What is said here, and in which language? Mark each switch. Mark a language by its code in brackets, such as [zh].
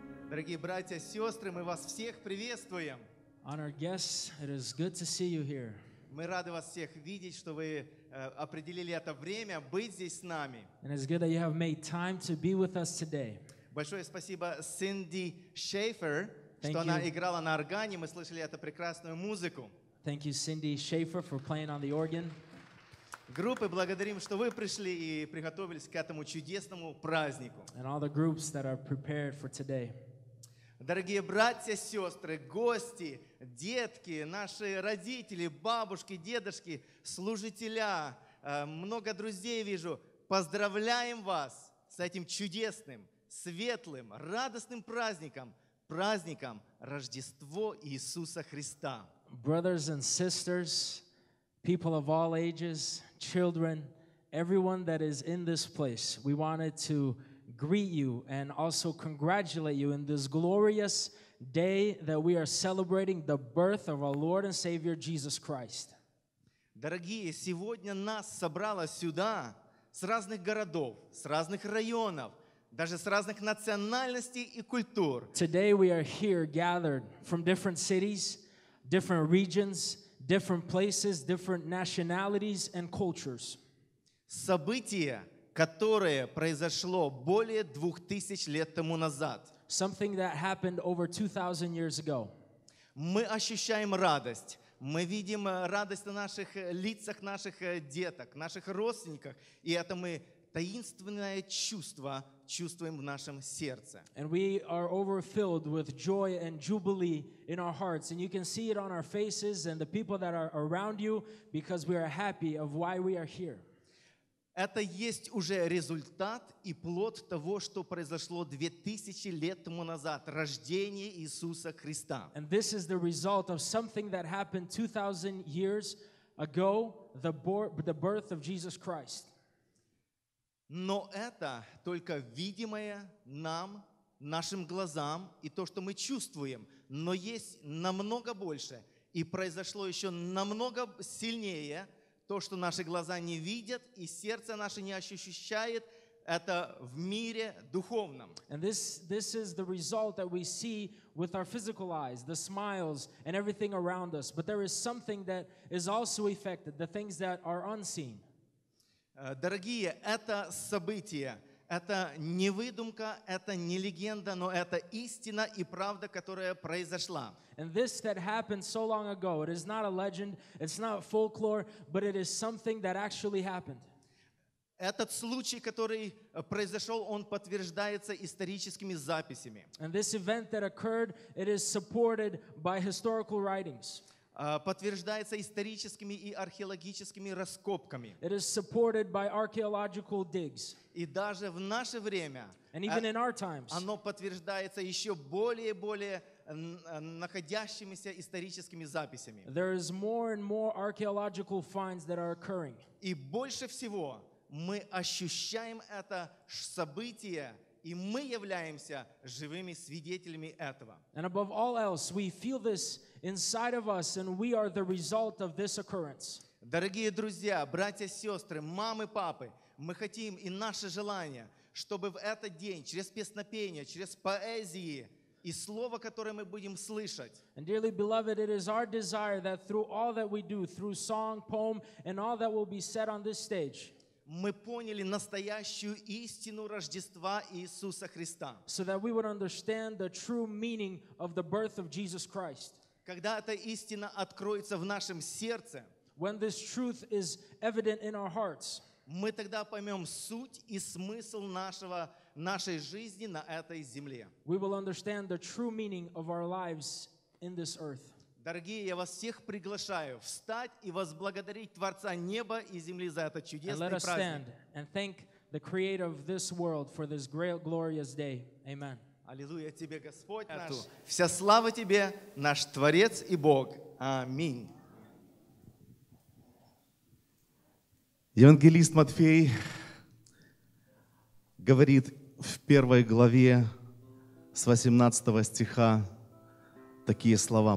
[ru] Дорогие братья, сестры, мы вас всех приветствуем. [en] Honored guests, it is good to see you here. [ru] Мы рады вас всех видеть, что вы определили это время быть здесь с нами. [en] And it's good that you have made time to be with us today. [ru] Большое спасибо Синди Шейфер, что она играла на органе, мы слышали эту прекрасную музыку. [en] Thank you, Синди Шейфер, for playing on the organ. [ru] Группы, благодарим, что вы пришли и приготовились к этому чудесному празднику. [en] And all the groups that are prepared for today. [ru] Дорогие братья, сестры, гости, детки, наши родители, бабушки, дедушки, служителя, много друзей вижу. Поздравляем вас с этим чудесным, светлым, радостным праздником, праздником Рождества Иисуса Христа. [en] Brothers and sisters, people of all ages, children, everyone that is in this place, we wanted to greet you and also congratulate you in this glorious day that we are celebrating the birth of our Lord and Savior Jesus Christ. [ru] Дорогие, сегодня нас собрало сюда с разных городов, с разных районов, даже с разных национальностей и культур. [en] Today we are here gathered from different cities, different regions, different places, different nationalities and cultures. [ru] Событие, которое произошло более 2000 лет тому назад. [en] Something that happened over 2000 years ago. [ru] Мы ощущаем радость. Мы видим радость на наших лицах, наших деток, наших родственниках, и это мы таинственное чувство чувствуем в нашем сердце. [en] And we are overfilled with joy and jubilee in our hearts, and you can see it on our faces and the people that are around you because we are happy of why we are here. [ru] Это есть уже результат и плод того, что произошло 2000 лет тому назад, рождение Иисуса Христа. [en] And this is the result of something that happened 2000 years ago, the birth of Jesus Christ. [ru] Но это только видимое нам, нашим глазам и то, что мы чувствуем, но есть намного больше и произошло еще намного сильнее. То, что наши глаза не видят и сердце наше не ощущает, это в мире духовном. [en] And this is the result that we see with our physical eyes, the smiles and everything around us. But there is something that is also affected, the things that are unseen. [ru] Дорогие, это событие, это не выдумка, это не легенда, но это истина и правда, которая произошла. [en] And this that happened so long ago, it is not a legend, it's not folklore, but it is something that actually happened. [ru] Этот случай, который произошел, он подтверждается историческими записями. [en] And this event that occurred, it is supported by historical writings. [ru] Подтверждается историческими и археологическими раскопками. [en] It is supported by archaeological digs. [ru] И даже в наше время, [en] and even in our times, [ru] оно подтверждается еще более и более находящимися историческими записями. [en] There is more and more archaeological finds that are occurring. [ru] И больше всего мы ощущаем это событие, и мы являемся живыми свидетелями этого. [en] And above all else, we feel this inside of us, and we are the result of this occurrence. [ru] Дорогие друзья, братья, сестры, мамы, папы, мы хотим и наше желание, чтобы в этот день через песнопение, через поэзии и слово, которое мы будем слышать. [en] And dearly beloved, it is our desire that through all that we do, through song, poem, and all that will be said on this stage, [ru] мы поняли настоящую истину Рождества Иисуса Христа. [en] So that we would understand the true meaning of the birth of Jesus Christ. [ru] Когда эта истина откроется в нашем сердце, [en] when this truth is evident in our hearts, [ru] мы тогда поймем суть и смысл нашего нашей жизни на этой земле. [en] We will understand the true meaning of our lives in this earth. [ru] Дорогие, я вас всех приглашаю встать и возблагодарить Творца неба и земли за этот чудесный праздник. [en] And let us stand and thank the Creator of this world for this great, glorious day. Amen. [ru] Аллилуйя тебе, Господь наш. Вся слава тебе, наш Творец и Бог. Аминь. Евангелист Матфей говорит в первой главе с 18 стиха такие слова.